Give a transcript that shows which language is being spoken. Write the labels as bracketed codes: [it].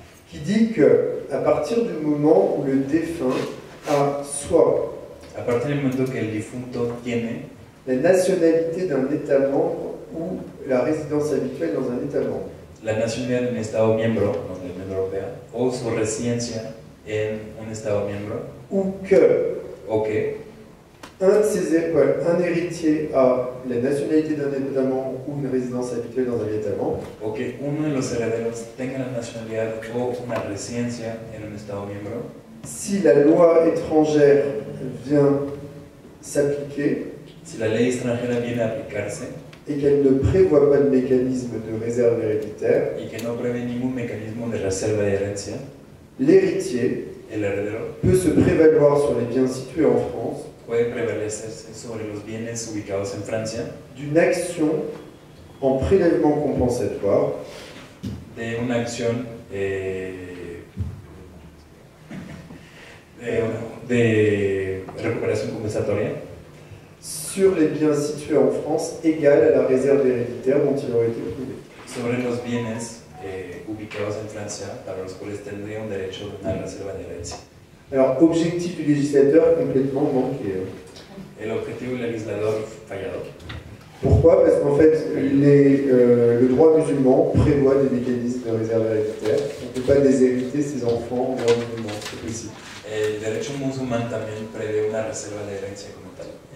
[fr] Qui dit que à partir du moment où le défunt a soit. [es] A partir del momento que el difunto tiene. [fr] La nationalité d'un État membre ou la résidence habituelle dans un État membre. [es] La nacionalidad de un Estado miembro, no de la Unión Europea, o su residencia en un Estado miembro. [fr] Ou que. [es] O que. [fr] Un de ses épaules, un héritier a la nationalité d'un État membre ou une résidence habituelle dans un État membre. [es] O que uno de los herederos tenga la nacionalidad o una residencia en un Estado miembro. [fr] Si la loi étrangère vient s'appliquer. [es] Si la ley extranjera viene a aplicarse. [fr] Et qu'elle ne prévoit pas de mécanisme de réserve héréditaire. [es] Y que no prevé ningún mecanismo de reserva de herencia. [fr] L'héritier, [es] el heredero, [fr] peut se prévaloir sur les biens situés en France. [es] Puede prevalecerse sobre los bienes ubicados en Francia. [fr] D'une action en prélèvement compensatoire. [es] De una acción de recuperación compensatoria. [fr] Sur les biens situés en France égal à la réserve héréditaire dont il aurait été privé. [es] Sobre los bienes ubicados en Francia para los cuales tendría un derecho de una reserva de herencia. [fr] Alors, objectif du législateur complètement manqué. [es] El objetivo del legislador fallado. [fr] Pourquoi? Parce qu'en fait, le droit musulman prévoit des mécanismes de réserve héréditaire. On ne peut pas déshériter ses enfants en droit musulman, c'est possible. [es] El derecho musulmán también prevé una reserva de herencia como tal.